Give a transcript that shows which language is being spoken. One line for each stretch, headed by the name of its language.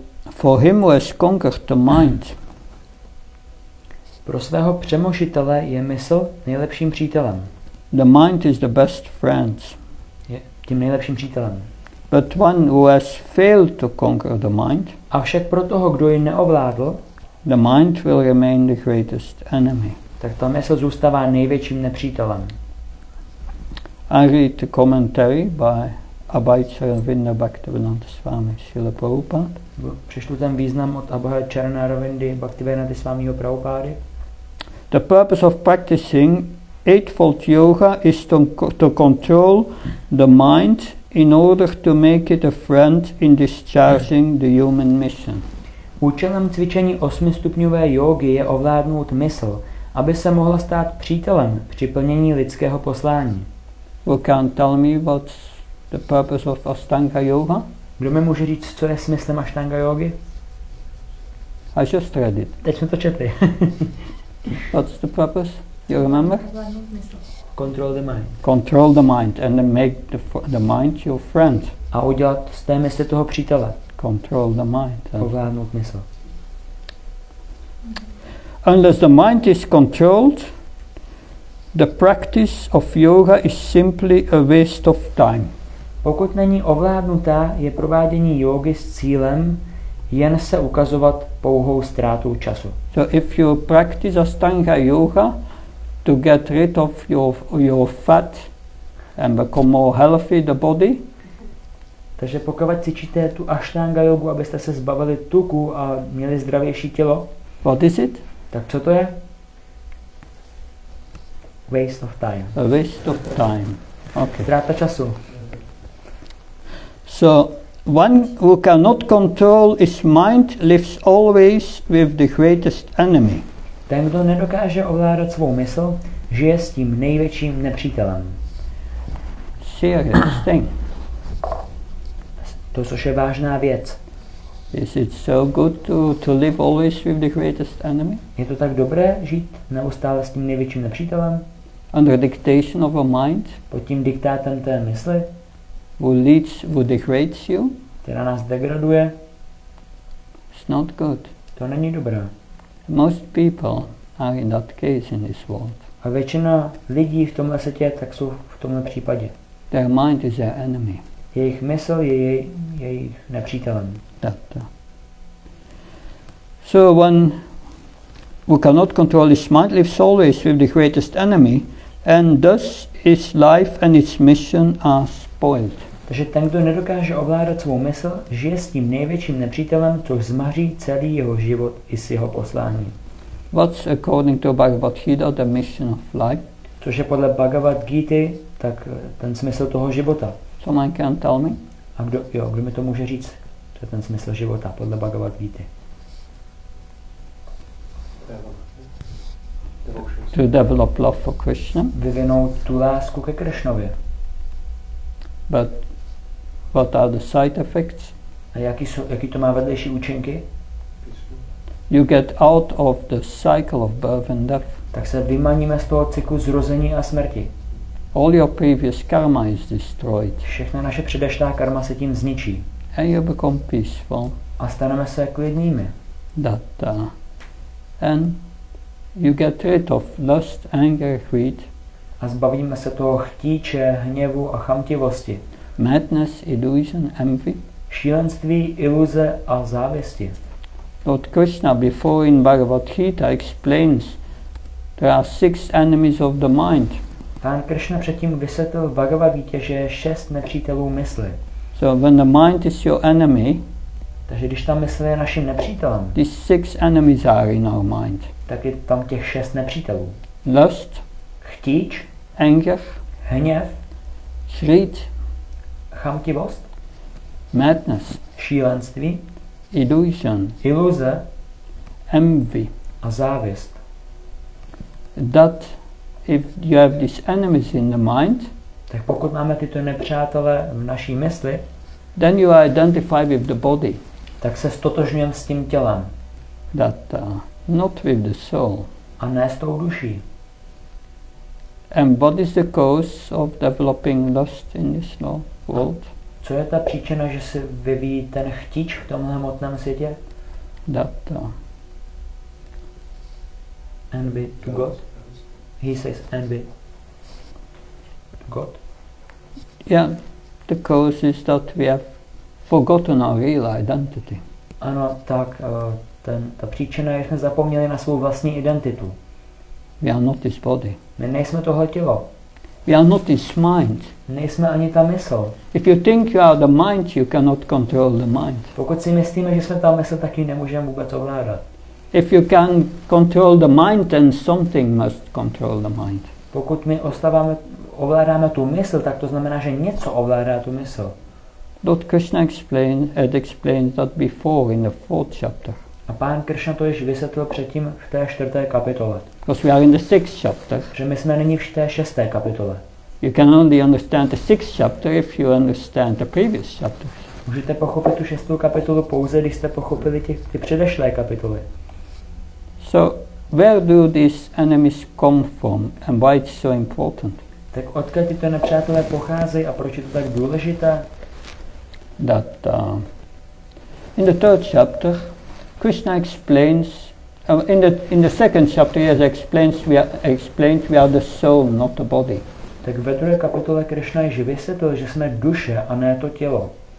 English: For him who has conquered the mind.
Czech: Pro svého přemožitele je mysl nejlepším přítelem.
English: The mind is the best friend.
Czech: Je tím nejlepším přítelem.
English: But one who has failed to conquer the mind.
Czech: Avšak pro toho, kdo ji neovládl.
English: The mind will remain the greatest enemy.
Czech: Tak ta mysl zůstává největším nepřítelem.
English: I read the commentary by Abhaycharan Vinda Bhaktivinoda Swami Srila Prabhupada.
Czech: Přišlo ten význam od Abhaya Charana Ravindy Bhaktivedanta Svámího Prabhupády.
English: The purpose of practicing eightfold yoga is to control the mind in order to make it a friend in discharging the human mission.
Czech: Účelem cvičení osmistupňové jógy je ovládnout mysl, aby se mohla stát přítelem při plnění lidského poslání.
English: Who can tell me what's the purpose of Ashtanga yoga?
Czech: Kdo mi může říct, co je smyslem Ashtanga yogi?
English: I just read it.
Czech: Teď jsme to četli.
English: What's the purpose? You remember? Control the mind. Control the mind and then make the mind your friend.
Czech: A udělat z té mysli toho přítele.
English: Control the mind.
Czech: Ovládnout mysl.
English: Unless the mind is controlled, the practice of yoga is simply a waste of time.
Czech: Pokud není ovládnutá, je provádění jógy s cílem jen se ukazovat pouhou ztrátou času.
English: So if you practice Ashtanga yoga to get rid of your fat and become more healthy the body.
Czech: Takže pokud cvičíte tu Ashtanga jogu, abyste se zbavili tuku a měli zdravější tělo.
English: What is it?
Czech: Tak co to je?
English: Waste of time. A waste of time. Okay.
Czech: Ztráta času.
English: So one who cannot control his mind lives always with the greatest enemy.
Czech: Ten, kdo nedokáže ovládat svou mysl, žije s tím největším nepřítelem.
English: Serious thing.
Czech: To, což je vážná věc.
English: Is it so good to live always with the greatest enemy?
Czech: Je to tak dobré žít neustále s tím největším nepřítelem?
English: Under dictation of a mind?
Czech: Pod tím diktátem té mysli?
English: Who leads, who degrades you?
Czech: Která nás degraduje?
English: It's not good.
Czech: To není dobré.
English: Most people are in that case in this world.
Czech: A většina lidí v tomhle světě tak jsou v tomhle případě.
English: Their mind is their enemy.
Czech: Jejich mysl je jejich nepřítelem.
English: That. So one who cannot control his mind lives always with the greatest enemy, and thus his life and its mission are spoiled.
Czech: Takže ten, kdo nedokáže ovládat svou mysl, žije s tím největším nepřítelem, což zmaří celý jeho život i s jeho poslání.
English: What's according to Bhagavad Gita the mission of life?
Czech: Což je podle Bhagavad Gita, tak ten smysl toho života.
English: Someone can tell me?
Czech: A kdo mi to může říct? To je ten smysl života, podle Bhagavad Gita.
English: To develop love for Krishna.
Czech: Vyvinout tu lásku ke Krishnovi.
English: But what are the side effects?
Czech: A jaký to má vedlejší účinky?
English: You get out of the cycle of birth and death.
Czech: Tak se vymaníme z toho cyklu zrození a smrti.
English: All your previous karma is destroyed.
Czech: Všechna naše předešlá karma se tím zničí.
English: And you become peaceful.
Czech: A staneme se klidnými.
English: That, and you get rid of lust, anger, greed.
Czech: A zbavíme se toho chtíče, hněvu a chamtivosti.
English: Madness, illusion, envy.
Czech: Šílenství, iluze a závisti.
English: Lord Krishna before in Bhagavad Gita explains there are six enemies of the mind.
Czech: Pán Krishna předtím vysvětlil v Bhagavad Gita, že je šest nepřítelů mysli.
English: So when the mind is your enemy,
Czech: takže když ta mysl je naším nepřítelem,
English: these six enemies are in our mind.
Czech: Tak je tam těch šest nepřítelů.
English: Lust,
Czech: chtíč,
English: anger,
Czech: hněv,
English: greed,
Czech: chamtivost,
English: madness,
Czech: šílenství,
English: illusion,
Czech: iluze,
English: envy
Czech: a závist.
English: That if you have these enemies in the mind,
Czech: tak pokud máme tyto nepřátelé v naší mysli,
English: then you identify with the body.
Czech: Tak se stotožňujeme s tím tělem.
English: That, not with the soul.
Czech: A ne s tou duší.
English: And what is the cause of developing lust in this world?
Czech: Co je ta příčina, že se vyvíjí ten chtíč v tomhle hmotném světě?
English: That, envy to God. He says envy. God. Yeah, the cause is that we have forgotten our real identity.
Czech: Ano, tak ta příčina je, že jsme zapomněli na svou vlastní identitu.
English: We are not this body.
Czech: My nejsme tohle tělo.
English: We are not this mind.
Czech: Nejsme ani ta mysl.
English: If you think you are the mind, you cannot control the mind.
Czech: Pokud si myslíme, že jsme ta mysl, taky nemůžeme vůbec ovládat.
English: If you can control the mind, then something must control the mind.
Czech: Pokud my ovládáme tu mysl, tak to znamená, že něco ovládá tu mysl.
English: Lord Krishna explained that before in the fourth chapter.
Czech: A pán Krishna to již vysvětlil předtím v té čtvrté kapitole.
English: Because we are in the sixth chapter.
Czech: Že my jsme nyní v té šesté kapitole.
English: You can only understand the sixth chapter if you understand the previous chapter.
Czech: Můžete pochopit tu šestou kapitolu pouze, když jste pochopili ty předešlé kapitoly.
English: So, where do these enemies come from and why it's so important?
Czech: Tak odkud tyto nepřátelé pocházejí a proč je to tak důležité?
English: That, in the third chapter, Krishna explains, in the second chapter he explains we are the soul, not the body.
Czech: Tak ve druhé kapitole Krishna již vysvětlil, že jsme duše a ne to tělo.